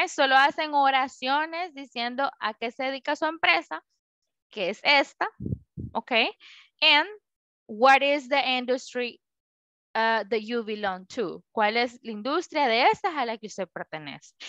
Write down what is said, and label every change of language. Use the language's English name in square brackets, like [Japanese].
[Spanish] Solo hacen oraciones diciendo a qué se dedica su empresa, que es esta. ¿Ok? [English] And what is the industry that you belong to? [Spanish] ¿Cuál es la industria de estas a la que usted pertenece?